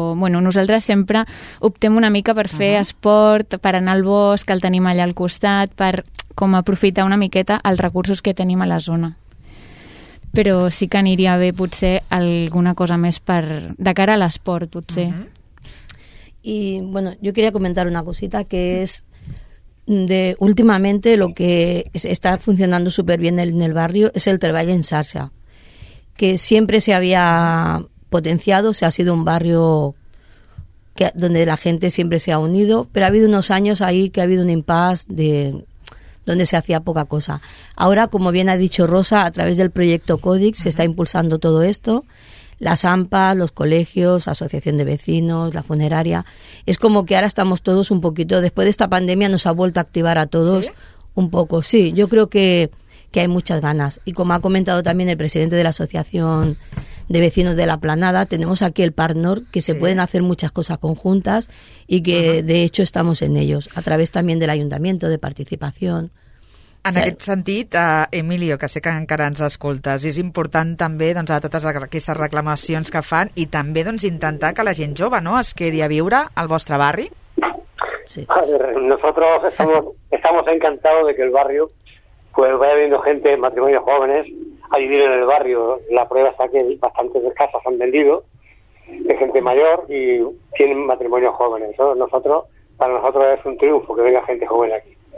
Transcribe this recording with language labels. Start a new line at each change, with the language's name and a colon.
Catalan: Bueno, nosaltres sempre optem una mica per fer uh-huh. esport, per anar al bosc, el tenim allà al costat, per com aprofitar una miqueta els recursos que tenim a la zona. Però sí que aniria bé potser alguna cosa més per de cara a l'esport, potser. Uh-huh.
Spanish: Y bueno, yo quería comentar una cosita que es de últimamente lo que está funcionando súper bien en el barrio es el trabajo en xarxa, que siempre se había potenciado, se ha sido un barrio que donde la gente siempre se ha unido, pero ha habido unos años ahí que ha habido un impasse de donde se hacía poca cosa. Ahora, como bien ha dicho Rosa, a través del proyecto Codic se está impulsando todo esto. Las AMPAs, los colegios, asociación de vecinos, la funeraria. Es como que ahora estamos todos un poquito, después de esta pandemia nos ha vuelto a activar a todos. ¿Sí? Un poco. Sí, yo creo que hay muchas ganas. Y como ha comentado también el presidente de la asociación de vecinos de La Planada, tenemos aquí el Parc Nord, que se pueden hacer muchas cosas conjuntas y que de hecho estamos en ellos, a través también del ayuntamiento, de participación.
Catalan: En aquest sentit, Emilio, que sé que encara ens escoltes, és important també, doncs, a totes aquestes reclamacions que fan, i també, doncs, intentar que la gent jove, no?, es quedi a viure al vostre barri. Sí.
Spanish: A ver, nosotros estamos encantados de que el barrio pues vaya viendo gente, matrimonios jóvenes, a vivir en el barrio. La prueba está que bastantes casas han vendido de gente mayor y tienen matrimonios jóvenes. Nosotros, para nosotros es un triunfo que venga gente joven aquí.